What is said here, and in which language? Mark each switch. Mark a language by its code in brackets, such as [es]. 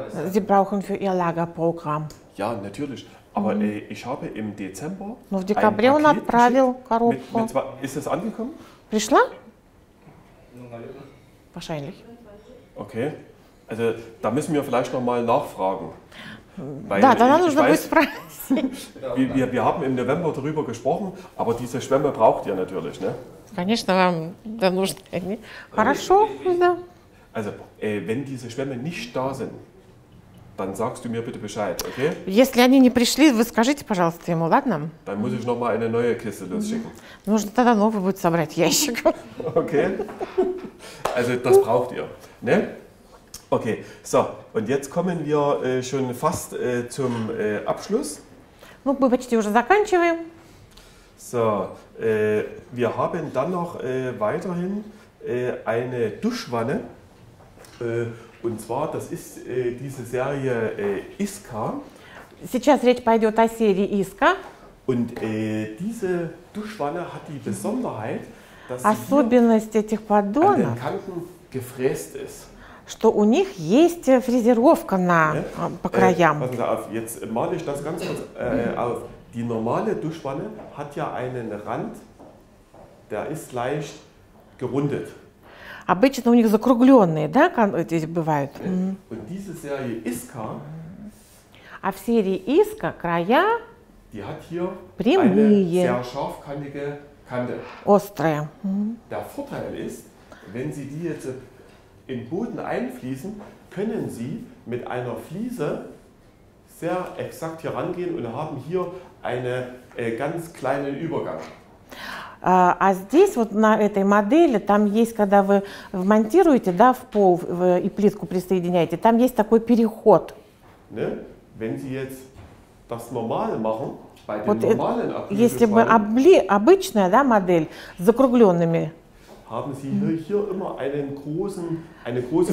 [de] Sie brauchen für ihr Lagerprogramm. Ja, natürlich. Aber ich habe im Dezember. [ru] Но в декабре он отправил коробку. [de] Ist es angekommen? [ru] Пришла? Ну, наверное. [de] Wahrscheinlich. Okay, also da müssen wir vielleicht nochmal nachfragen. Da, dann haben wir noch was. Wir haben im November darüber gesprochen, aber diese Schwämme braucht ihr natürlich, ne? [ru] Конечно, вам да нужны. Хорошо, да. [de] Also, wenn diese Schwämme nicht da sind, dann sagst du mir bitte Bescheid, okay? [ru] Если они не пришли, вы скажите, пожалуйста, ему, ладно? [de] Dann muss ich noch mal eine neue Kiste losschicken. [ru] Нужно тогда новый будет собрать ящик. [de] Okay. Also das braucht ihr, ne? Okay, so, und jetzt kommen wir schon fast zum Abschluss. [ru] Ну, мы почти уже заканчиваем. [de] So, wir haben dann noch weiterhin eine Duschwanne. Und zwar, das ist diese Serie Iska. [ru] Сейчас речь пойдет о серии Iska. [de] Und diese Duschwanne hat die Besonderheit, dass [ru] Особенность [de] sie [ru] этих поддонов, [de] an den Kanten gefräst ist. [ru] Что у них есть фрезеровка на, по краям. [de] Passen Sie auf, jetzt male ich das ganz kurz auf. Die normale Duschwanne hat ja einen Rand, der ist leicht gerundet. [ru] Обычно у них закругленные, да, здесь бывают. [de] Und diese Serie Iska, [ru] а в серии Iska края, [de] die hat hier [ru] прямые, [de] eine sehr scharfkantige Kante. [ru] Острые. [de] Der Vorteil ist, wenn Sie die jetzt in Boden einfließen, können Sie mit einer Fliese sehr exakt hier rangehen und haben hier einen ganz kleinen Übergang. [ru] А здесь вот на этой модели там есть, когда вы монтируете, да, в пол и плитку присоединяете, там есть такой переход. [de] Ne? Wenn Sie jetzt das normal machen, bei [ru] вот [de] den normalen [ru] Acrylfarben, если бы обычная, да, модель с закругленными. [de] Haben Sie hier, hier immer einen großen, eine große